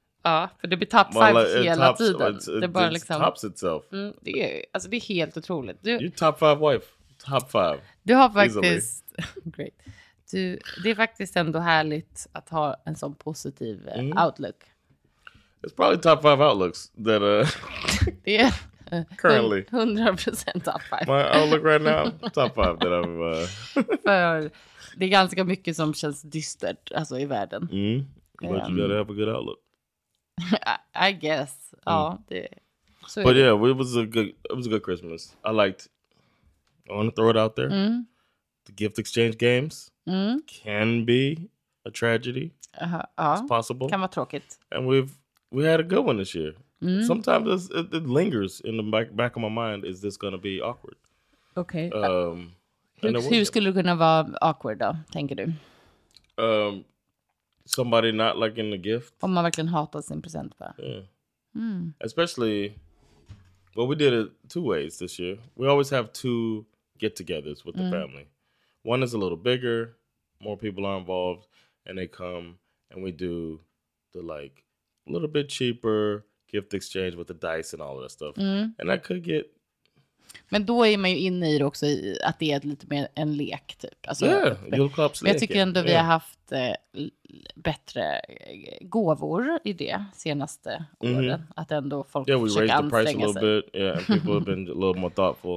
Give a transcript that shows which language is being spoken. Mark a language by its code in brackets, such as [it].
[sv] Ja, för det blir top five hela tiden. Det bara liksom [en] tops itself. [sv] Det är, alltså det är helt otroligt. Du, [en] you're top five wife. Top five. [sv] Du har faktiskt great. Du, det är faktiskt ändå härligt att ha en sån positiv outlook. [en] It's probably top five outlooks that [sv] det är [en] currently 100% top five. My outlook right now, top five that I'm [sv] för det är ganska mycket som känns dystert alltså i världen. [en] But you gotta have a good outlook. I guess. [sv] Ja, det. [en] Så but yeah, it was a good Christmas. I want to throw it out there. The gift exchange games can be a tragedy. It's possible. [sv] Kan vara tråkigt. [en] And we had a good one this year. Sometimes it lingers in the back of my mind, is this going to be awkward? Okay. [sv] Hur skulle det kunna vara awkward då, tänker du? [en] Somebody not liking the gift. [sv] Om man verkligen hatar sin present bara. [en] Yeah. Especially, well, we did it two ways this year. We always have two get-togethers with the family. One is a little bigger, more people are involved, and they come and we do the like a little bit cheaper gift exchange with the dice and all of that stuff. And I could get. [sv] Men då är man ju inne i det också i att det är lite mer en lek typ. Alltså, yeah, julklappslek. Men jag tycker ändå vi har haft bättre gåvor i det senaste åren. Att ändå folk försöker anstränga sig. [en] Yeah, we raised the price a little bit. Yeah, people have been a little more thoughtful.